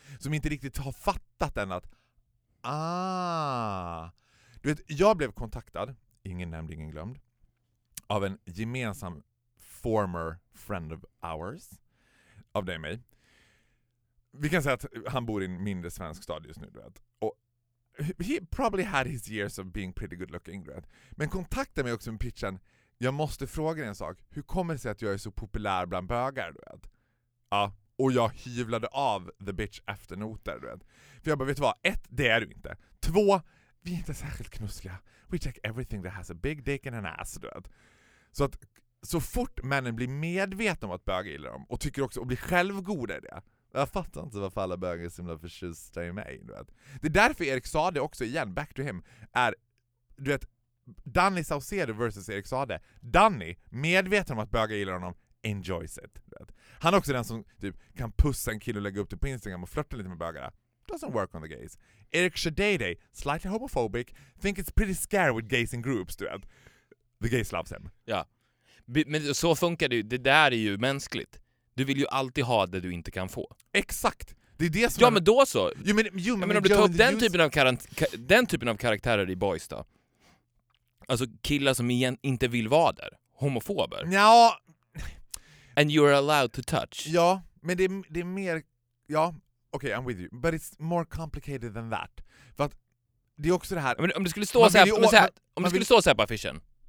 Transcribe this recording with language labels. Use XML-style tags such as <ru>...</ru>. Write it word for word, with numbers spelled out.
<sv>Som inte riktigt har fattat än att ah, du vet, jag blev kontaktad, ingen nämnd, ingen glömd, av en gemensam</sv> <en>former friend of ours,</en> <sv>av dig och mig. Vi kan säga att han bor i en mindre svensk stad just nu, du vet. Och</sv> <en>he probably had his years of being pretty good looking,</en> <sv>du vet. Men kontakta mig också med pitchen, jag måste fråga dig en sak. Hur kommer det sig att jag är så populär bland bögar, du vet? Ja, och jag hyvlade av</sv> <en>the bitch</en> <sv>efter noter, du vet. För jag bara, vet du vad? Ett, det är du inte. Två, vi är inte särskilt knussliga.</sv> <en>We check everything that has a big dick and an ass,</en> <sv>du vet. Så att så fort männen blir medvetna om att bögar gillar dem och tycker också och blir självgoda i det. Jag fattar inte varför alla bögar är så himla förtjusta i mig, du vet. Det är därför Erik Sade också igen,</sv> <en>back to him,</en> <sv>är, du vet, Danny Saucedo versus Erik Sade. Danny, medveten om att bögar gillar honom,</sv> <en>enjoys it,</en> <sv>du vet. Han är också den som typ kan pussa en kille och lägga upp det på Instagram och flirta lite med bögarna.</sv> <en>Doesn't work on the gays. Erik Shadede, slightly homophobic, think it's pretty scary with gays in groups,</en> <sv>du vet.</sv> <en>The gays loves him.</en> <sv>Ja. Men så funkar det ju. Det där är ju mänskligt. Du vill ju alltid ha det du inte kan få. Exakt. Det är det som ja, är... men då så. Jo, men, jo, men om du tar upp den typen av karant- ka- den typen av karaktärer i Boys då. Alltså killar som igen inte vill vara där. Homofober. Ja.</sv> <en>And you're allowed to touch.</en> <sv>Ja, men det är, det är mer... Ja, okej,</sv> <en>okay, I'm with you. But it's more complicated than that.</en> <sv>För att det är också det här... Men om det skulle stå så här, ju, så här, om det skulle vill... stå så här på affischen.</sv>